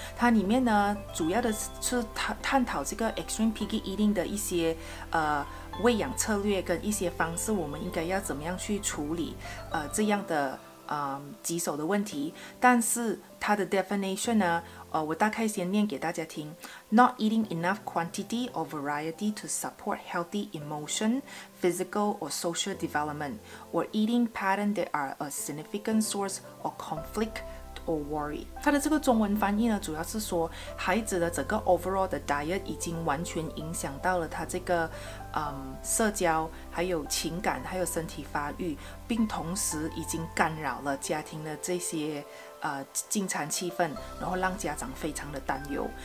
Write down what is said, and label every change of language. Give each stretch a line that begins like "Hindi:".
Chinese: 它里面呢主要的是探讨这个 extreme picky eating 的一些喂养策略跟一些方式，我们应该要怎么样去处理这样的棘手的问题。但是它的 definition 呢我大概先念给大家听。
English: Not eating enough quantity or variety to support healthy emotion, physical or social development, or eating patterns that are a significant source of conflict or worry.
Chinese: 它的这个中文翻译呢，主要是说孩子的整个 overall 的 diet 已经完全影响到了他这个社交还有情感还有身体发育，并同时已经干扰了家庭的这些进餐气氛，然后让家长非常的担忧。